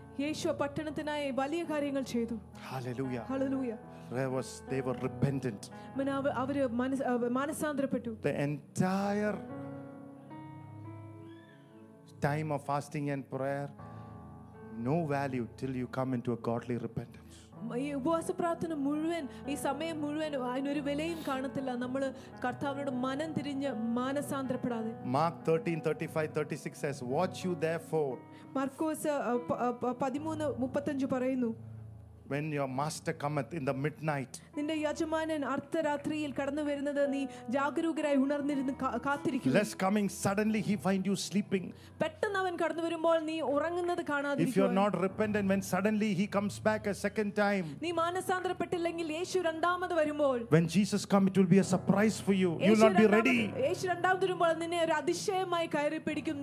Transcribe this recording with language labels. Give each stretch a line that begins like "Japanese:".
Malayalam: Yeshua pattanathinaye valiya kaaryangal cheythu.
English: Hallelujah. Hallelujah. They were repentant.
Malayalam: Manavu avaru manasandrapettu.
English: The entire time of fasting and prayer no value till you come into a godly repentance.
Malayalam: ഈ ഉപവാസ പ്രാർത്ഥന മുഴുവൻ ഈ സമയം മുഴുവൻ അതിനൊരു വിലയും കാണത്തില്ല നമ്മൾ കർത്താവിനോട് മനം തിരിഞ്ഞ് മാനസാന്തരപ്പെടാതെ.
English: Mark 13:35-36 says, watch you therefore.
Malayalam: Markose 13:35 പറയുന്നു,
English: When your master cometh in the midnight.
Malayalam: നിന്റെ യജമാനൻ അർദ്ധരാത്രിയിൽ കടന്നു വരുന്നത് നീ ജാഗരൂകരായി ഉണർന്നിരുന്ന് കാത്തിരിക്കുക.
English: Less coming suddenly he find you sleeping.
Malayalam: പെട്ടെന്ന് അവൻ കടന്നു വരുമ്പോൾ നീ ഉറങ്ങുന്നത് കാണാതിരിക്കുക.
English: If you are not repentant when suddenly he comes back a second time.
Malayalam: നീ മാനസാന്തരപ്പെട്ടില്ലെങ്കിൽ യേശു രണ്ടാമത് വരുമ്പോൾ.
English: When Jesus comes it will be a surprise for you. You will not be ready.
Malayalam: യേശു രണ്ടാമത് വരുമ്പോൾ നിന്നെ ഒരു അതിശയമായി കയറി പിടിക്കും.